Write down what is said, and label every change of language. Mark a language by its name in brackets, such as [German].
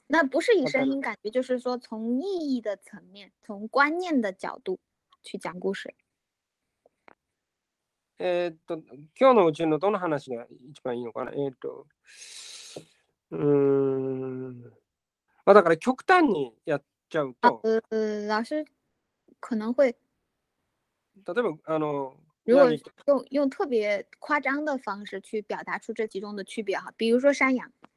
[Chinese] 那不是以声音感觉，就是说从意义的层面、从观念的角度去讲故事。 [Japanese] 今日のうちのどの話が一番いいのかな。だから極端にやっちゃうと。 [Chinese] 老师。可能会， [Japanese] 例えばあの、 [Chinese] 如果用特别夸张的方式去表达出这几种的区别哈，比如说山羊，